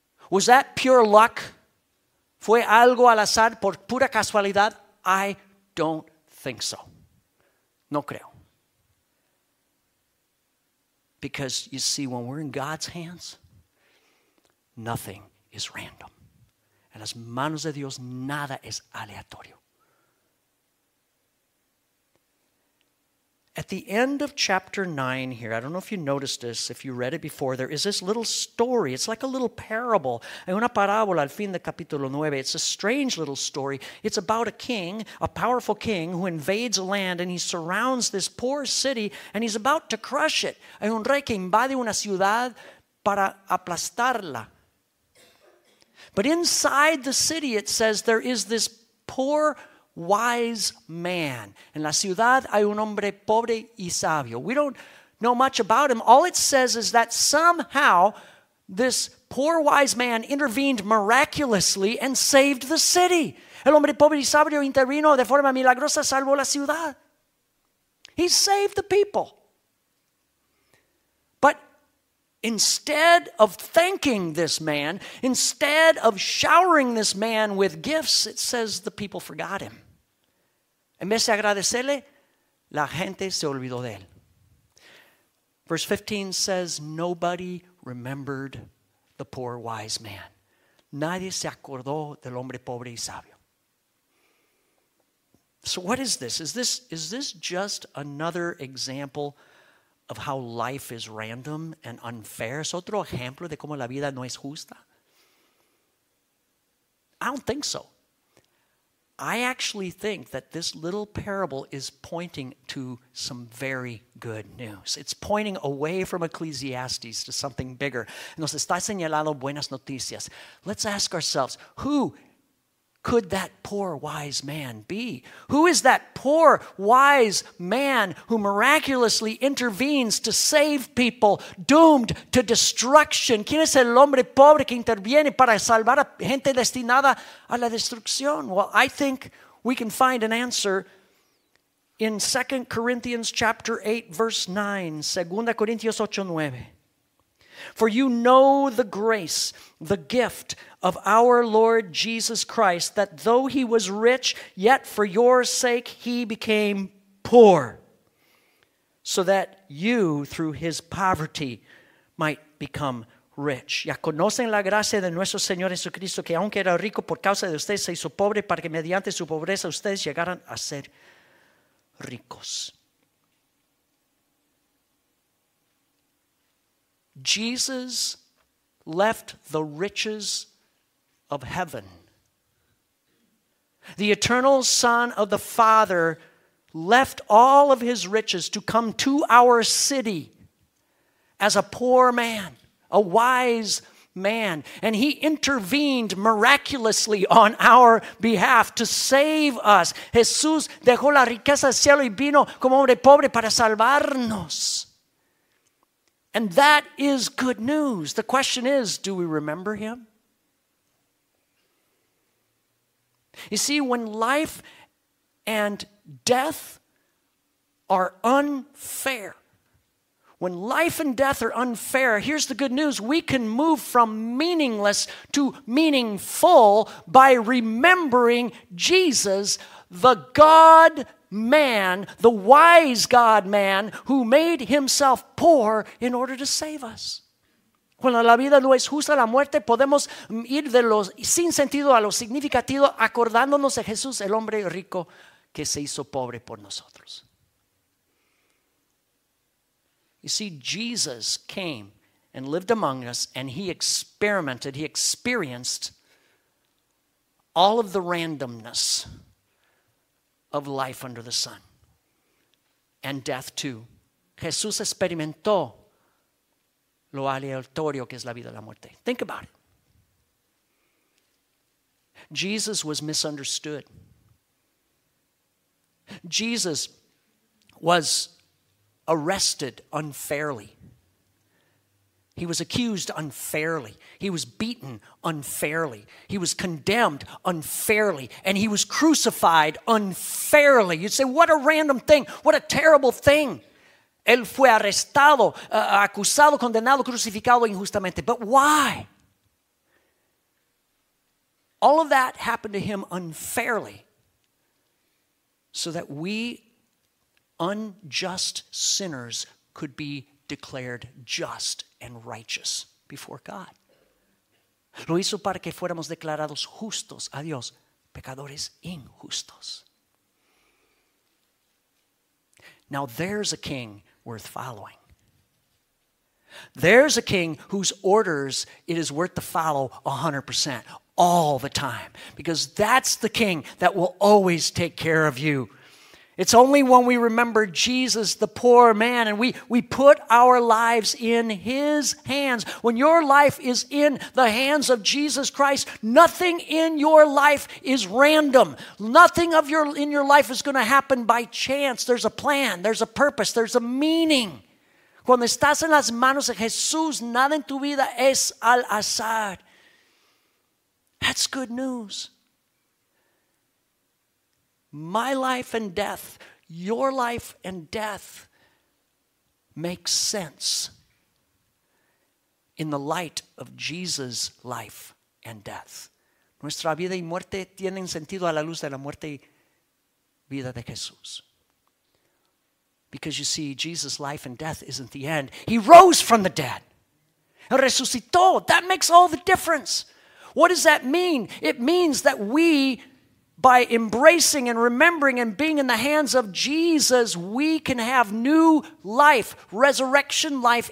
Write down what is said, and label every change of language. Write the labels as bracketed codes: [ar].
[en] Was that pure luck? [es] ¿Fue algo al azar por pura casualidad? [en] I don't think so. [es] No creo. [en] Because you see, when we're in God's hands, nothing is random. [es] En las manos de Dios, nada es aleatorio. [en] At the end of chapter 9 here, I don't know if you noticed this, if you read it before, there is this little story. It's like a little parable. [es] Hay una parábola al fin del capítulo 9. [en] It's a strange little story. It's about a king, a powerful king, who invades a land and he surrounds this poor city and he's about to crush it. [es] Hay un rey que invade una ciudad para aplastarla. [en] But inside the city, it says there is this poor, wise man. [es] En la ciudad hay un hombre pobre y sabio. [en] We don't know much about him. All it says is that somehow this poor, wise man intervened miraculously and saved the city. [es] El hombre pobre y sabio intervino de forma milagrosa, salvó la ciudad. [en] He saved the people. Instead of thanking this man, instead of showering this man with gifts, it says the people forgot him. [es] En vez de agradecerle, la gente se olvidó de él. [en] Verse 15 says, nobody remembered the poor wise man. [es] Nadie se acordó del hombre pobre y sabio. [en] So what is this? Is this just another example of how life is random and unfair? [es] ¿Es otro ejemplo de cómo la vida no es justa? [en] I don't think so. I actually think that this little parable is pointing to some very good news. It's pointing away from Ecclesiastes to something bigger. [es] Nos está señalando buenas noticias. [en] Let's ask ourselves, who could that poor wise man be? Who is that poor wise man who miraculously intervenes to save people doomed to destruction? [es] ¿Quién es el hombre pobre que interviene para salvar a gente destinada a la destrucción? [en] Well, I think we can find an answer in 2 Corinthians chapter 8, verse 9. 2 Corinthians 8, 9. For you know the grace, the gift of our Lord Jesus Christ, that though he was rich, yet for your sake he became poor, so that you, through his poverty, might become rich. [es] Ya conocen la gracia de nuestro Señor Jesucristo, que aunque era rico por causa de ustedes, se hizo pobre para que mediante su pobreza ustedes llegaran a ser ricos. [en] Jesus left the riches of heaven. The eternal Son of the Father left all of his riches to come to our city as a poor man, a wise man. And he intervened miraculously on our behalf to save us. [es] Jesús dejó la riqueza del cielo y vino como hombre pobre para salvarnos. [en] And that is good news. The question is, do we remember him? You see, when life and death are unfair, when life and death are unfair, here's the good news. We can move from meaningless to meaningful by remembering Jesus, the God man, the wise God man, who made himself poor in order to save us. [es] Cuando la vida no es justa, la muerte, podemos ir de los sin sentido a lo significativo, acordándonos de Jesús, el hombre rico que se hizo pobre por nosotros. [en] You see, Jesus came and lived among us, and he experienced all of the randomness of life under the sun, and death too. [es] Jesús experimentó lo aleatorio que es la vida y la muerte. [en] Think about it. Jesus was misunderstood. Jesus was arrested unfairly. He was accused unfairly. He was beaten unfairly. He was condemned unfairly. And he was crucified unfairly. You'd say, what a random thing. What a terrible thing. [es] Él fue arrestado, acusado, condenado, crucificado injustamente. [en] But why? All of that happened to him unfairly, so that we unjust sinners could be declared just and righteous before God. [es] Lo hizo para que fuéramos declarados justos a Dios, pecadores injustos. [en] Now there's a king worth following. There's a king whose orders it is worth to follow 100% all the time, because that's the king that will always take care of you. It's only when we remember Jesus, the poor man, and we put our lives in his hands. When your life is in the hands of Jesus Christ, nothing in your life is random. Nothing of your in your life is going to happen by chance. There's a plan. There's a purpose. There's a meaning. [es] Cuando estás en las manos de Jesús, nada en tu vida es al azar. [en] That's good news. My life and death, your life and death makes sense in the light of Jesus' life and death. [es] Nuestra vida y muerte tienen sentido a la luz de la muerte y vida de Jesús. [en] Because you see, Jesus' life and death isn't the end. He rose from the dead. [es] El resucitó. [en] That makes all the difference. What does that mean? It means that we, by embracing and remembering and being in the hands of Jesus, we can have new life, resurrection life.